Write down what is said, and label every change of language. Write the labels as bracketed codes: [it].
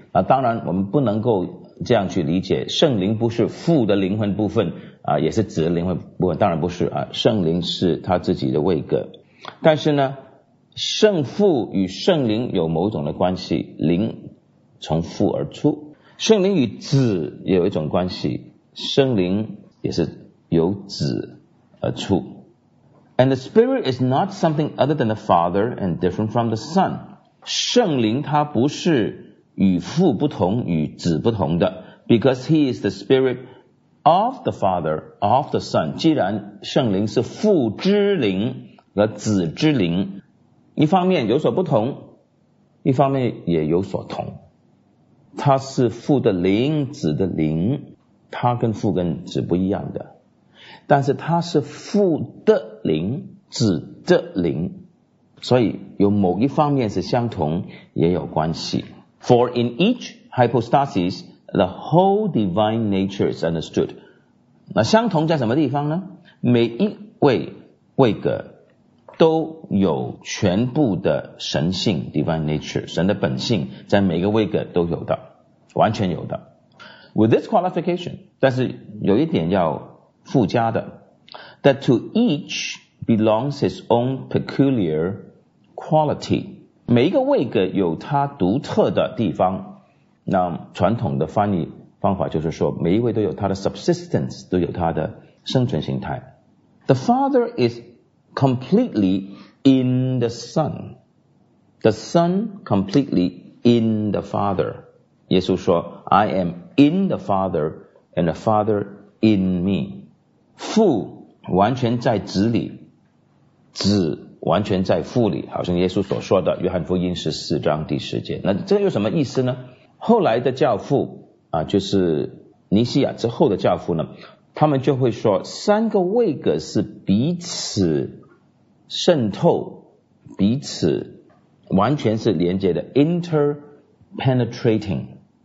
[zh] 那当然我们不能够这样去理解，圣灵不是父的灵魂部分啊，也是子的灵魂部分，当然不是啊，圣灵是他自己的位格。但是呢，圣父与圣灵有某种的关系，灵从父而出，圣灵与子也有一种关系，圣灵也是由子而出。 [en] And the Spirit is not something other than the Father and different from the Son. [zh] 圣灵他不是与父不同，与子不同的， [en] because he is the Spirit of the Father, of the Son. [zh] 既然圣灵是父之灵和子之灵，一方面有所不同，一方面也有所同。他是父的灵，子的灵，他跟父跟子不一样的。但是他是父的灵，子的灵，所以有某一方面是相同，也有关系。 [en] For in each hypostasis, the whole divine nature is understood. [zh] 那相同在什么地方呢？每一位位格都有全部的神性 ,divine nature, 神的本性在每个位格都有的，完全有的。 [en] With this qualification, [zh] 但是有一点要附加的， [en] that to each belongs his own peculiar quality. [zh] 每一个位格有他独特的地方。那传统的翻译方法就是说，每一位都有他的 subsistence, 都有他的生存形态。 [en] The Father is completely in the Son. The Son completely in the Father. [zh] 耶稣说， [en] I am in the Father and the Father in me. [zh] 父完全在子里，子完全在父里，好像耶稣所说的约翰福音14章第10节。那这有什么意思呢？后来的教父啊，就是尼西亚之后的教父呢，他们就会说三个位格是彼此渗透，彼此完全是连接的， interpenetrating。